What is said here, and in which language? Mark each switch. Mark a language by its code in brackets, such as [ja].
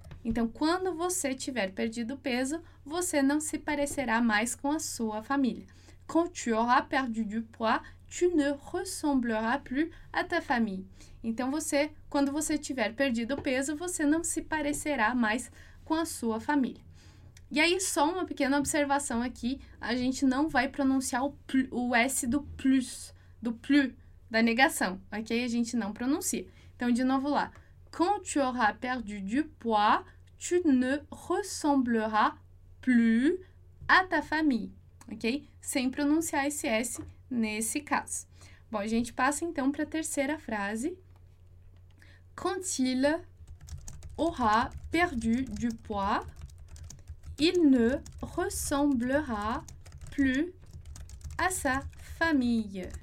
[pt] Então, quando você tiver perdido peso, você não se parecerá mais com a sua família. [fr] Quand tu auras perdu du poids, tu ne ressembleras plus à ta famille. [pt] Então, quando você tiver perdido peso, você não se parecerá mais com a sua família. E aí, só uma pequena observação aqui, a gente não vai pronunciar o S do plus, do plus, da negação, ok? A gente não pronuncia. Então, de novo lá. [fr] Quand tu auras perdu du poids, tu ne ressembleras plus à ta famille, ok? [pt] Sem pronunciar esse S nesse caso. Bom, a gente passa então para a terceira frase. [fr] Quand il aura perdu du poids, il ne ressemblera plus à sa famille.